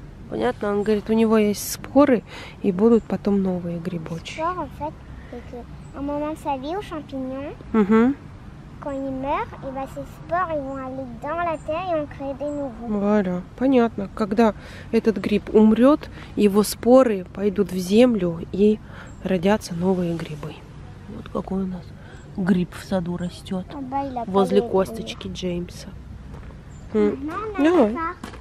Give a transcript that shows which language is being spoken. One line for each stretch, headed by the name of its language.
Russian: Понятно, он говорит, у него есть споры, и будут потом новые грибочки.
French: Un moment de sa vie aux champignons, quand il meurt, il va ses spores, ils vont aller dans la terre et on crée des nouveaux.
Russian: Voilà, понятно. Когда этот гриб умрет, его споры пойдут в землю и родятся новые грибы. Вот какой у нас гриб в саду растет возле косточки Джеймса. Да,